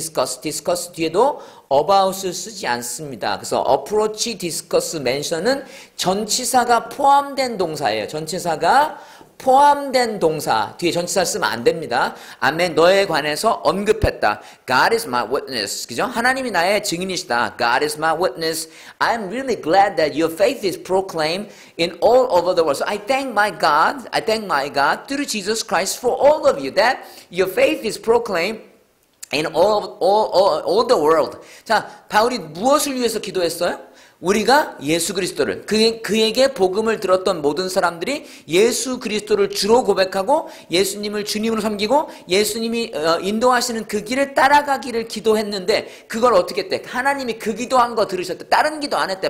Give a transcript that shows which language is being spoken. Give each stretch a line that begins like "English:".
Korean: discuss 뒤에도 about을 쓰지 않습니다. 그래서 approach, discuss, mention은 전치사가 포함된 동사예요. 전치사가 포함된 동사. 뒤에 전치사 쓰면 안 됩니다. 아멘. 너에 관해서 언급했다.
English: God is my witness.
Korean: 그죠? 하나님이 나의 증인이시다.
English: God is my witness. I'm really glad that your faith is proclaimed in all over the world. So I thank my God through Jesus Christ for all of you that your faith is proclaimed in all the world.
Korean: 자, 바울이 무엇을 위해서 기도했어요? 우리가 예수 그리스도를 그에게 복음을 들었던 모든 사람들이 예수 그리스도를 주로 고백하고 예수님을 주님으로 섬기고 예수님이 인도하시는 그 길을 따라가기를 기도했는데 그걸 어떻게 때 하나님이 그 기도한 거 들으셨대. 다른 기도 안 했대.